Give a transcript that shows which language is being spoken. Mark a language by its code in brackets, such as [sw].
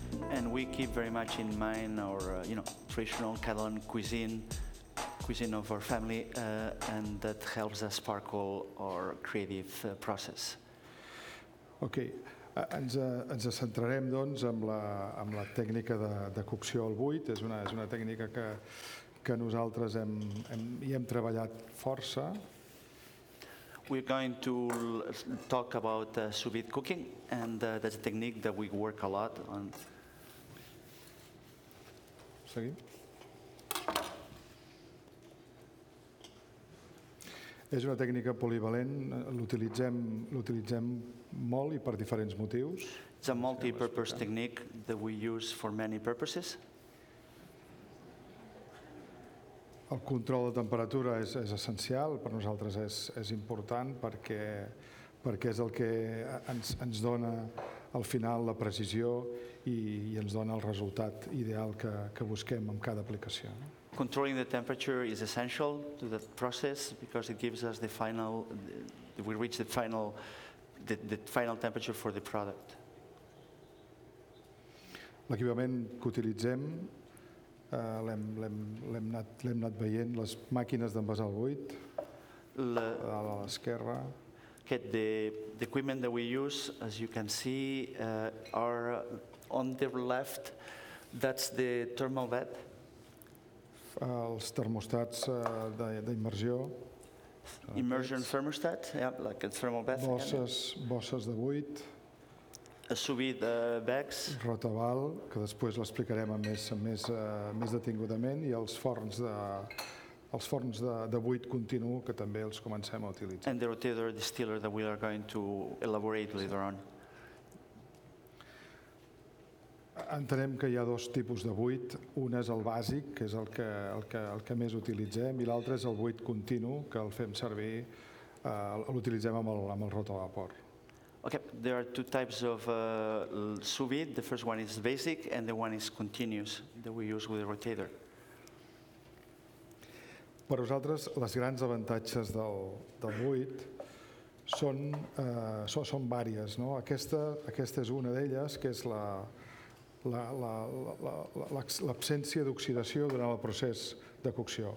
[en] And we keep very much in mind our, you know, traditional Catalan cuisine, cuisine of our family, and that helps us sparkle our creative process. [ca] Okay, ens centrarem doncs amb la tècnica de cocció al buit. És una tècnica que nosaltres hem treballat força. [en] We're going to talk about sous vide cooking, and that's a technique that we work a lot on. [ca] Seguim. És una tècnica polivalent, l'utilitzem molt i per diferents motius. [en] It's a multi-purpose technique that we use for many purposes. [ca] El control de temperatura és essencial, per nosaltres és important perquè és el que ens dona al final la precisió i ens dona el resultat ideal que busquem amb cada aplicació. [en] Controlling the temperature is essential to the process because it gives us the final, we reach the final temperature for the product. [ca] L'equipament que utilitzem, l'hem anat veient, les màquines d'envasar el buit, a l'esquerra. [en] The equipment that we use, as you can see, are on the left. That's the thermal vat. [ca] Els termostats d'immersió. [en] Immersion thermostat, yeah, like a thermal vat. [ca] Bosses de buit. [en] A sous vide bags. [ca] Rotaval, que després l'explicarem més detingudament, i els forns de buit continu, que també els comencem a utilitzar. [en] And the rotator distiller that we are going to elaborate later on. [ca] Entenem que hi ha dos tipus de buit. Un és el bàsic, que és el que més utilitzem, i l'altre és el buit continu, que el fem servir, l'utilitzem amb el rotor de vapor. [en] Okay, there are two types of sous vide. The first one is basic and the one is continuous that we use with a rotator. [ca] Per nosaltres, les grans avantatges del buit són vàries, no? Aquesta és una d'elles, que és l'absència d'oxidació durant el procés de cocció.